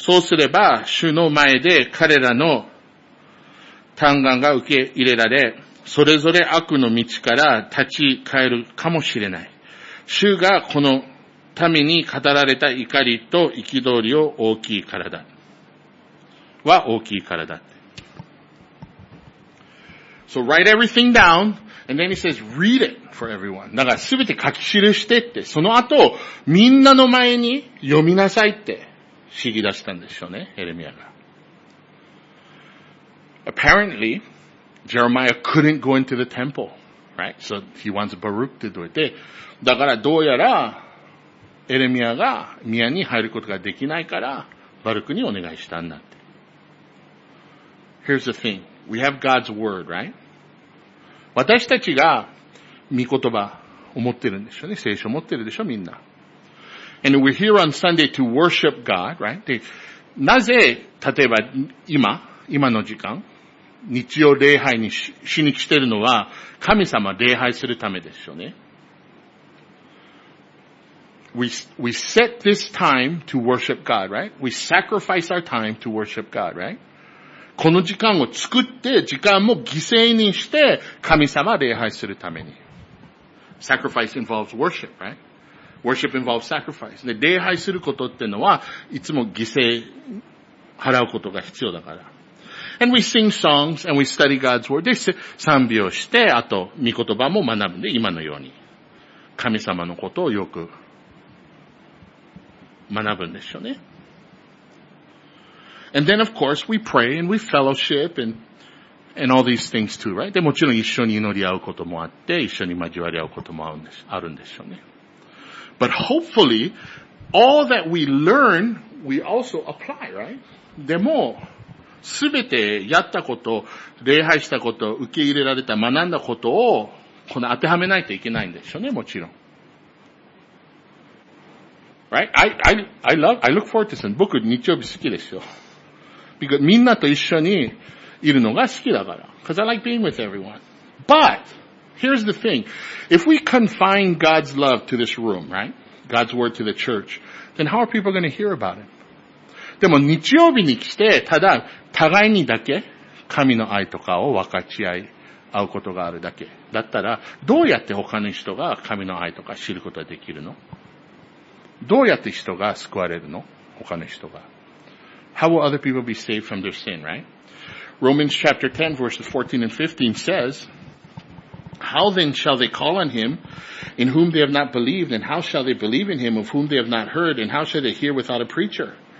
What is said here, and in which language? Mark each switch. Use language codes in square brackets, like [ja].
[ja] そうすれば、主の前で彼らの嘆願が受け入れられ、それぞれ悪の道から立ち返るかもしれない。主がこの民に語られた怒りと憤りを大きいからだ。は大きいからだ。 [en] So write everything down, and then he says read it for everyone. [ja] だからすべて書き記してって、その後、みんなの前に読みなさいって、指示出したんでしょうね、エレミアが。 [en] Apparently, Jeremiah couldn't go into the temple, right? So he wants Baruch to do it. [ja] だからどうやらエレミアが宮に入ることができないからバルクにお願いしたんだって。 [en] Here's the thing. We have God's word, right? [ja] 私たちが御言葉を持ってるんでしょうね。聖書を持ってるでしょ、みんな。 [en] And we're here on Sunday to worship God, right? [ja] で、なぜ、例えば今の時間、日曜礼拝に しに来てるのは、神様礼拝するためですよね。 [en] we set this time to worship God, right? We sacrifice our time to worship God, right? [ja] この時間を作って、時間も犠牲にして、神様を礼拝するために。 [en] Sacrifice involves worship, right? Worship involves sacrifice. [ja] で、礼拝することってのは、いつも犠牲払うことが必要だから。 [en] And we sing songs and we study God's word. [ja] で、賛美をして、あと、御言葉も学ぶんで、今のように。神様のことをよく学ぶんでしょうね。 [en] And then of course we pray and we fellowship and all these things too, right? [ja] でもちろん一緒に祈り合うこともあって、一緒に交わり合うこともあるんでしょうね。 [en] But hopefully, all that we learn, we also apply, right? [ja] でも、すべてやったこと、礼拝したこと、受け入れられた、学んだことを、この当てはめないといけないんでしょうね、もちろん。 [en] Right? I look forward to this. [ja] 僕、日曜日好きですよ。 [en] Because [ja] みんなと一緒にいるのが好きだから。 [en] Because I like being with everyone. But, here's the thing. If we confine God's love to this room, right? God's word to the church, then how are people going to hear about it? [ja] でも日曜日に来て、ただ、互いにだけ神の愛とかを分かち合い、合うことがあるだけ。だったら、どうやって他の人が神の愛とか知ることができるの？どうやって人が救われるの？他の人が。 [en] How will other people be saved from their sin, right? Romans chapter 10 verses 14 and 15 says, How then shall they call on him in whom they have not believed? And how shall they believe in him of whom they have not heard? And how shall they hear without a preacher?